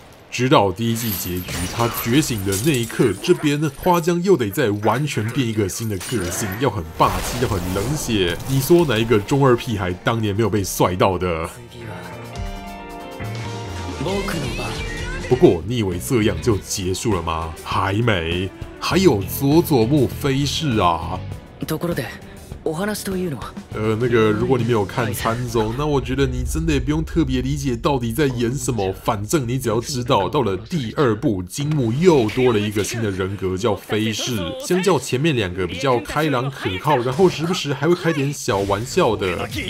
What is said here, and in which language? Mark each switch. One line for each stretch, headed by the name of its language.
Chinese: 直到第一季结局，他觉醒的那一刻，这边呢，花江又得再完全变一个新的个性，要很霸气，要很冷血。你说哪一个中二屁孩当年没有被帅到的？不过你以为这样就结束了吗？还没，还有佐佐木飞逝啊。
Japanese: ところで、お話というのは。
Chinese: 那个，如果你没有看参总，那我觉得你真的也不用特别理解到底在演什么。反正你只要知道，到了第二部，金木又多了一个新的人格，叫飞逝。相较前面两个比较开朗可靠，然后时不时还会开点小玩笑的。